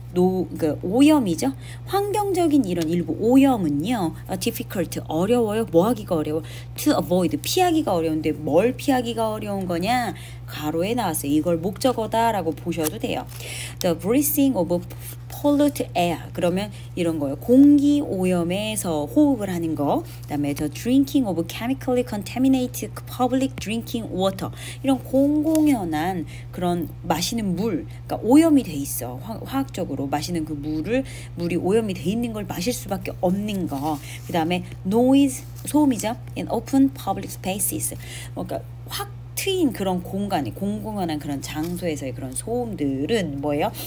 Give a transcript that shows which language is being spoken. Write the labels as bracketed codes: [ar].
[ko] 그 오염이죠. 환경적인 이런 일부 오염은요, difficult, 어려워요. 뭐 하기가 어려워? [en] To avoid, [ko] 피하기가 어려운데 뭘 피하기가 어려운 거냐? 가로에 나왔어요. 이걸 목적어다라고 보셔도 돼요. [en] The breathing of pollute air. [ko] 그러면 이런 거예요. 공기 오염에서 호흡을 하는 거. 그다음에 [en] the drinking of chemically contaminated public drinking water. [ko] 이런 공공연한 그런 마시는 물. 그러니까 오염이 돼 있어. 화학적으로 마시는 그 물이 오염이 돼 있는 걸 마실 수밖에 없는 거. 그다음에 [en] noise, [ko] 소음이죠. [en] In open public spaces. [ko] 그러니까 확 트인 그런 공간에 공공연한 그런 장소에서의 그런 소음들은 뭐예요?